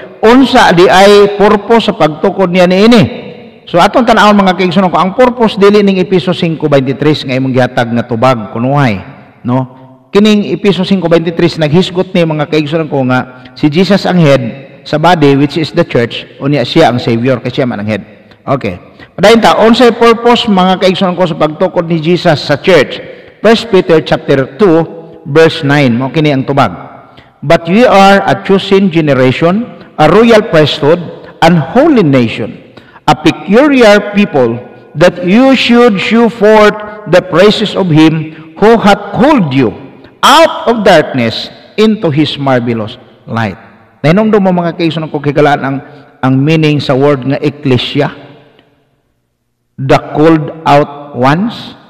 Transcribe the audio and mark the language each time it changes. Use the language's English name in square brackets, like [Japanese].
[Cebuano] Unsa di ay purpose sa pagtukod niya niini? So atong tanawon mga kaigsoon ko, ang purpose dili ning Epeso 5:23 nga imong gihatag nga tubag kunuhay, no? Kining Epeso 5:23 naghisgot ni mga kaigsoon ko nga si Jesus ang head sa body [English] which is the church, [Cebuano] unya siya ang savior kay siya man ang head. Okay. Padayon ta unsay purpose mga kaigsoon ko sa pagtukod ni Jesus sa church? 1 Peter chapter 2 verse 9 mo kini ang tubag. [English] But ye are a chosen generation, a royal priesthood, an holy nation, a peculiar people, that you should show forth the praises of him who hath called you out of darkness into his marvelous light. [Cebuano] Nainom do mo mga kaiso na kukigalaan ang meaning sa word nga ecclesia, [English] the called out ones.